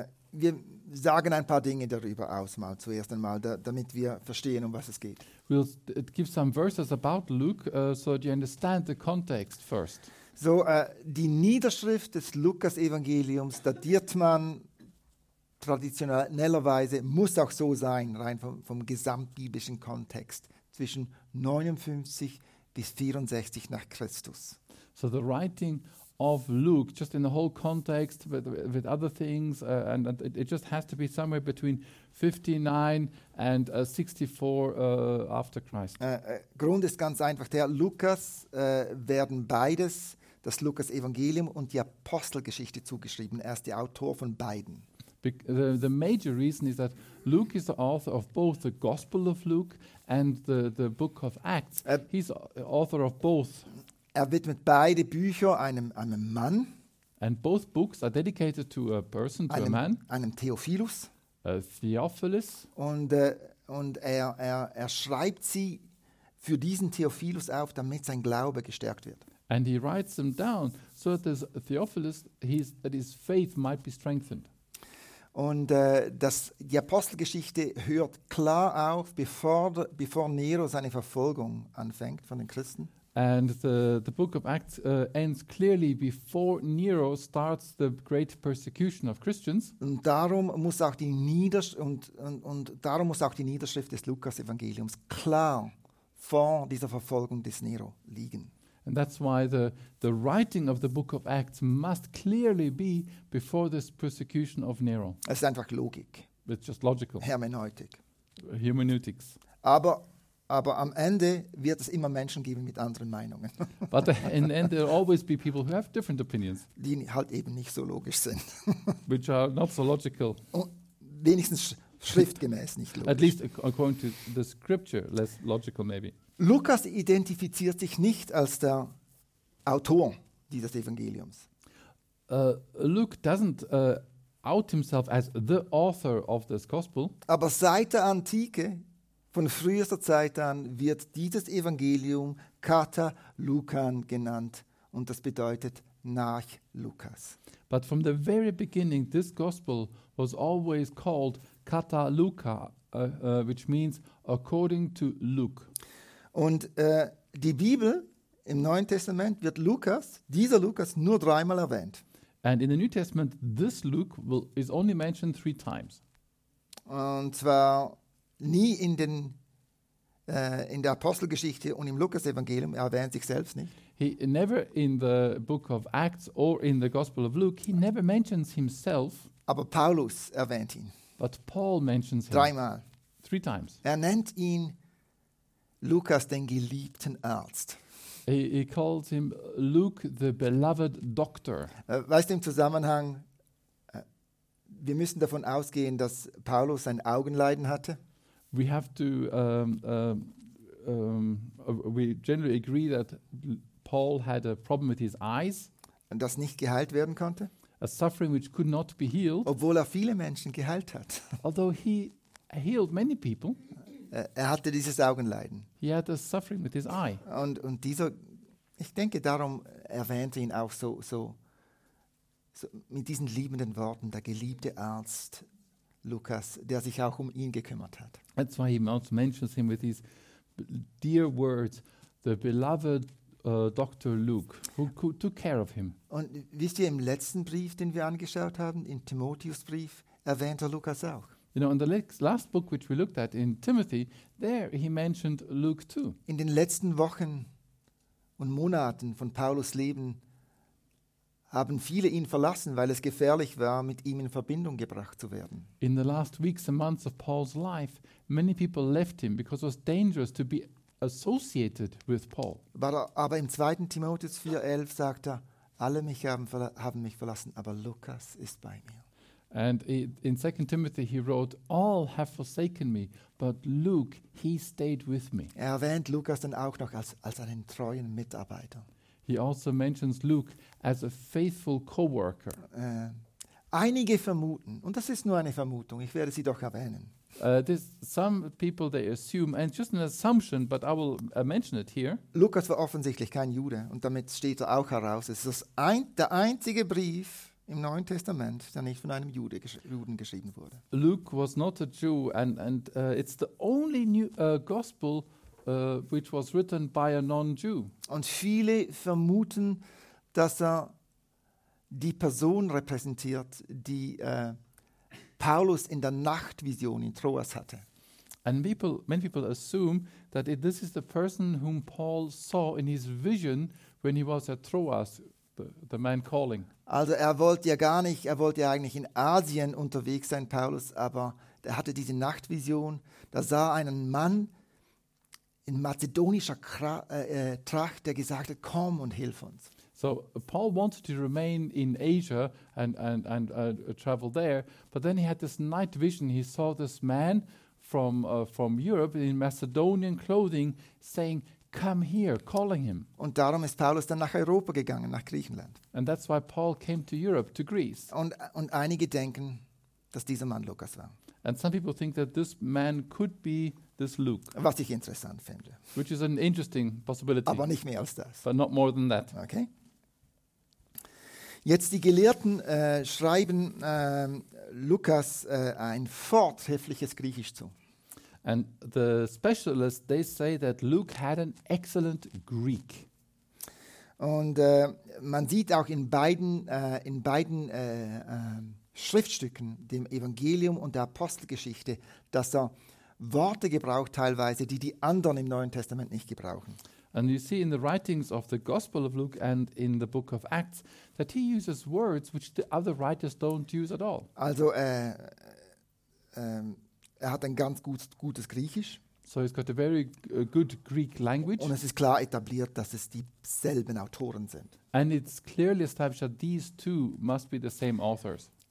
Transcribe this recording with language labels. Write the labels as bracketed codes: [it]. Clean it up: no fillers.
[de] Wir sagen ein paar Dinge darüber aus, mal zuerst einmal, damit wir verstehen, um was es geht. [en] We'll give some verses about Luke, so that you understand the context first. [de] So, die Niederschrift des Lukas-Evangeliums datiert man traditionellerweise, muss auch so sein, rein vom gesamtbiblischen Kontext, zwischen 59 bis 64 nach Christus. [en] So the writing of Luke, just in the whole context with other things, and it just has to be somewhere between 59 and 64 after Christ. [de] Grund ist ganz einfach, der Lukas werden beides, das Lukas-Evangelium und die Apostelgeschichte zugeschrieben. Er ist der Autor von beiden. [en] The major reason is that Luke is the author of both the Gospel of Luke and the Book of Acts. He's author of both. [de] Er widmet beide Bücher einem Mann. [en] And both books are dedicated to a person, to a man. [de] Einem Theophilus. [en] Theophilus. [de] Und er schreibt sie für diesen Theophilus auf, damit sein Glaube gestärkt wird. [en] And he writes them down so that this Theophilus, that his faith might be strengthened. [de] Und die Apostelgeschichte hört klar auf, bevor Nero seine Verfolgung anfängt von den Christen. [en] And the book of Acts ends clearly before Nero starts the great persecution of Christians. [de] Und darum muss auch die Niederschrift des Lukas-Evangeliums klar vor dieser Verfolgung des Nero liegen. [en] And that's why the writing of the book of Acts must clearly be before this persecution of Nero. [de] Es ist einfach Logik. [en] It's just logical. [de] Hermeneutik. [en] Hermeneutics. [de] Aber am Ende wird es immer Menschen geben mit anderen Meinungen. [en] But in the end there will always be people who have different opinions. [de] Die halt eben nicht so logisch sind. [en] Which are not so logical. [de] Und wenigstens schriftgemäß nicht logisch. [en] At least according to the scripture, less logical maybe. [de] Lukas identifiziert sich nicht als der Autor dieses Evangeliums. [en] Luke doesn't out himself as the author of this gospel. [de] Aber seit der Antike, von frühester Zeit an, wird dieses Evangelium Kata Lukan genannt. Und das bedeutet nach Lukas. [en] But from the very beginning, this gospel was always called Kata Luka, which means according to Luke. [de] Und die Bibel im Neuen Testament wird dieser Lukas, nur dreimal erwähnt. [en] And in the New Testament, this Luke is only mentioned three times. [de] Und zwar nie in der Apostelgeschichte und im Lukas-Evangelium, er erwähnt sich selbst nicht. [en] He never in the book of Acts or in the Gospel of Luke, he never mentions himself. [de] Aber Paulus erwähnt ihn. [en] But Paul mentions him. [de] Dreimal. [en] Three times. [de] Er nennt ihn Lukas, den geliebten Arzt. [en] He calls him Luke, the beloved doctor. [de] Weißt du, im Zusammenhang, wir müssen davon ausgehen, dass Paulus ein Augenleiden hatte. [en] We have to, we generally agree that Paul had a problem with his eyes. [de] Und das nicht geheilt werden konnte. [en] A suffering which could not be healed. [de] Obwohl er viele Menschen geheilt hat. [en] Although he healed many people. [de] Er hatte dieses Augenleiden. [en] He had a suffering with his eye. [de] Und dieser, ich denke, darum erwähnte ihn auch so mit diesen liebenden Worten, der geliebte Arzt Lukas, der sich auch um ihn gekümmert hat. [en] That's why he also mentions him with these dear words, the beloved Dr. Luke, who took care of him. [de] Und wisst ihr, im letzten Brief, den wir angeschaut haben, in Timotheus' Brief, erwähnte Lukas auch. [en] You know, in the last book which we looked at, in Timothy, there he mentioned Luke too. [de] In den letzten Wochen und Monaten von Paulus Leben haben viele ihn verlassen, weil es gefährlich war, mit ihm in Verbindung gebracht zu werden. [en] In the last weeks and months of Paul's life, many people left him because it was dangerous to be associated with Paul. [de] Aber im 2. Timotheus 4,11 sagt er, alle mich haben mich verlassen, aber Lukas ist bei mir. [en] And in 2 Timothy he wrote, all have forsaken me, but Luke, he stayed with me. [de] Er erwähnt Lukas dann auch noch als einen treuen Mitarbeiter. [en] He also mentions Luke as a faithful co-worker. [de] Einige vermuten, und das ist nur eine Vermutung, ich werde sie doch erwähnen. [en] Some people they assume, and it's just an assumption, but I will mention it here. [de] Lukas war offensichtlich kein Jude, und damit steht er auch heraus. Es ist der einzige Brief im Neuen Testament, der nicht von einem Juden geschrieben wurde. [en] Luke was not a Jew, and it's the only new gospel which was written by a non-Jew. [de] Und viele vermuten, dass er die Person repräsentiert, die Paulus in der Nachtvision in Troas hatte. [en] And many people assume that this is the person whom Paul saw in his vision when he was at Troas, the man calling. [de] Also er wollte ja eigentlich in Asien unterwegs sein, Paulus, aber er hatte diese Nachtvision, da sah einen Mann in mazedonischer Tracht, der gesagt hat, komm und hilf uns. [en] So Paul wanted to remain in Asia and travel there, but then he had this night vision. He saw this man from Europe in Macedonian clothing saying, come here, calling him. [de] Und darum ist Paulus dann nach Europa gegangen, nach Griechenland. [en] And that's why Paul came to Europe, to Greece. [de] Und einige denken, dass dieser Mann Lukas war. [en] And some people think that this man could be this Luke. [de] Was ich interessant finde. [en] Which is an interesting possibility. [de] Aber nicht mehr als das. [en] But not more than that. Okay. [de] Jetzt die Gelehrten schreiben Lukas ein vortreffliches Griechisch zu. [en] And the specialists, they say that Luke had an excellent Greek. [de] Und man sieht auch in beiden Schriftstücken, dem Evangelium und der Apostelgeschichte, dass er Worte gebraucht teilweise, die anderen im Neuen Testament nicht gebrauchen. [en] And you see in the writings of the Gospel of Luke and in the Book of Acts that he uses words which the other writers don't use at all. [de] Also er hat ein ganz gutes Griechisch. [en] So he's got a very good Greek language. [de] Und es ist klar etabliert, dass es dieselben Autoren sind. [en] And it's clearly established that these two must be the same authors.